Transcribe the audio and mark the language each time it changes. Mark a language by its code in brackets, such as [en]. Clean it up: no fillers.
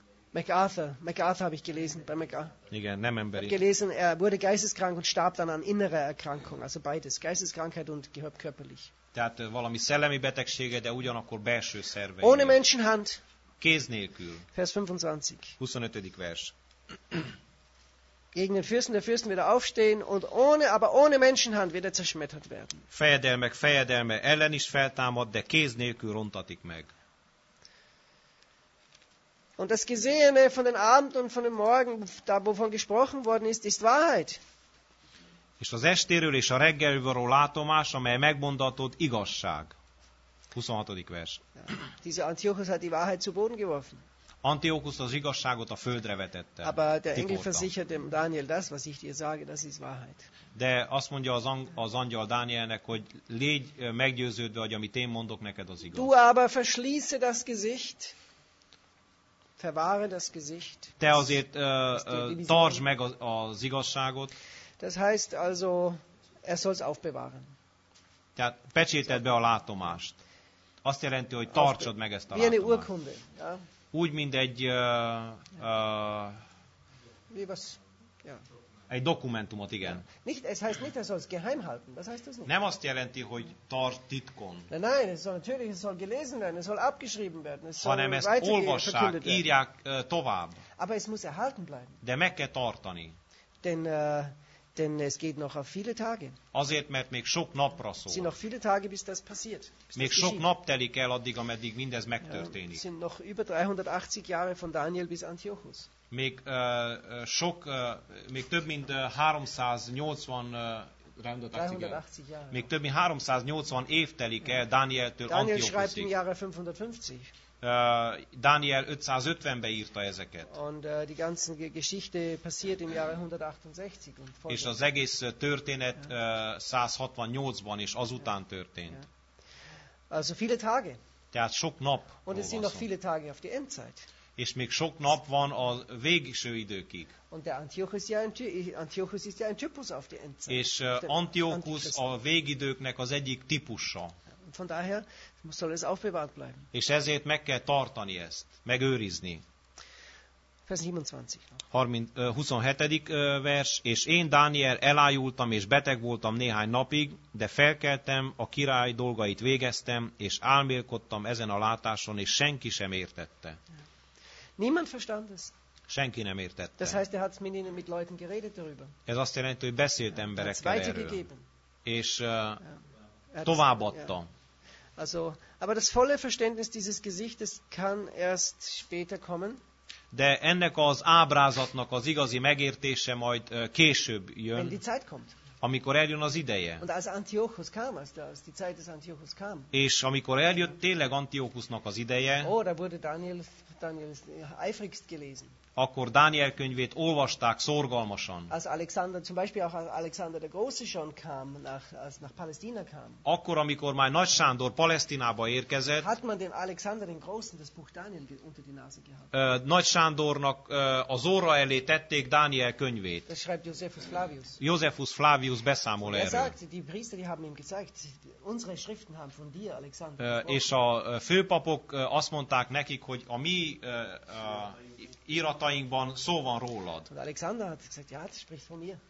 [de] MacArthur habe ich gelesen bei MacArthur. [hu] Igen, nem emberi. [de] Gelesen, er wurde geisteskrank und starb dann an innerer Erkrankung, also beides, Geisteskrankheit und körperlich. [hu] Tehát valami szellemi betegsége, de ugyanakkor belső szerve. [de] Ohne Menschenhand. [hu] Kéz nélkül. [de] Vers 25. [hu] 25. vers. [de] Gegen den Fürsten der Fürsten wird er aufstehen, und ohne Menschenhand wird er zerschmettert werden. [hu] Fejedelmek fejedelme ellen is feltámad, de kéz nélkül rontatik meg. [de] Und das Gesehene von den Abend und von dem Morgen, da wovon gesprochen worden ist, ist Wahrheit. [hu] És az estéről és a reggelről látomás, amely megmondatott, igazság. 26. vers. [de] Dieser Antiochus hat die Wahrheit zu Boden geworfen. [hu] Antiochus az igazságot a földre vetette. [de] Aber der Engel versicherte Daniel das, was ich dir sage, das ist Wahrheit. [hu] De azt mondja az angyal Dánielnek, hogy légy meggyőződve, hogy amit én mondok neked, az igaz. [de] Du aber verschließe das Gesicht. Verwahre das Gesicht. [hu] Te azért tartsd meg az igazságot. [de] Das heißt also, er soll es aufbewahren. [hu] Tehát pecsételd be a látomást. Azt jelenti, hogy tartsod meg ezt a látomást. [de] Wie eine Urkunde, ja? [hu] Úgy, mint egy... [de] Wie was? Ja. [hu] Egy dokumentumot, igen. [de] Nicht, es heißt nicht, er soll es geheim halten. Was heißt das nicht? [hu] Nem azt jelenti, hogy tart titkon. [de] Nein, es soll natürlich, es soll gelesen werden, es soll abgeschrieben werden, es soll [hu] hanem ezt olvassák, írják tovább. [de] Aber es muss erhalten bleiben. [hu] De meg kell tartani. [de] Denn es geht noch auf viele Tage. [hu] Azért, mert még sok napra szól. [de] Sind noch viele Tage, bis das passiert. [hu] Még sok nap telik el addig, ameddig mindez megtörténik. [de] Sind noch über 380 Jahre von Daniel bis Antiochus. [hu] Még sok, még több mint 380 380 még több mint 380 év telik el Dánieltől Antiochusig. [de] Daniel schreibt im Jahre 550. [hu] Daniel 550-be írta ezeket. [de] Und die ganze Geschichte passiert im Jahre 168 und folgt. [hu] És az egész történet 168-ban és azután történt. [de] Also viele Tage. [hu] Tehát sok nap. [de] Und es sind noch viele Tage auf die Endzeit. [hu] És még sok nap van a végső időkig. [de] Und der Antiochus ist ja ein Typus auf die Endzeit. [hu] És Antiochus a végidőknek az egyik típusa. [de] Von daher soll es aufbewahrt bleiben. [hu] És ezért meg kell tartani ezt, megőrizni. [de] Vers 27. [hu] 27. vers, és én, Dániel, elájultam és beteg voltam néhány napig, de felkeltem, a király dolgait végeztem, és álmélkodtam ezen a látáson, és senki sem értette. [de] Niemand verstand es. [hu] Senki nem értette. [de] Das heißt, er hat mit Leuten geredet darüber. [hu] Ez azt jelenti, hogy beszélt emberekkel erről. És továbbadta. [de] Also, aber das volle Verständnis dieses Gesichtes kann erst später kommen. [hu] De ennek az ábrázatnak az igazi megértése majd később jön. [de] Wenn die Zeit kommt. [hu] Amikor eljön az ideje. [de] Und als Antiochus kam, als die Zeit des Antiochus kam. [hu] És amikor eljött tényleg Antiochusnak az ideje. [de] Oh, da wurde Daniel eifrigst gelesen. [hu] Akkor Dániel könyvét olvasták szorgalmasan. [de] Az Alexander, zum Beispiel auch Alexander der Große schon kam, als nach Palästina kam. [hu] Akkor, amikor már Nagy Sándor Palesztinába érkezett, [de] hat man den Alexander den Großen das Buch Daniel unter die Nase gehabt. [hu] Nagy Sándornak az orra elé tették Dániel könyvét. [de] Das schreibt Josephus Flavius. [hu] Josephus Flavius beszámol erről. [de] Er sagt, die Priester, die haben ihm gezeigt, unsere Schriften haben von dir, Alexander. [hu] És a főpapok azt mondták nekik, hogy a mi irataiban szó van rólad. [de] Und Alexander hat gesagt, ja, das spricht von mir.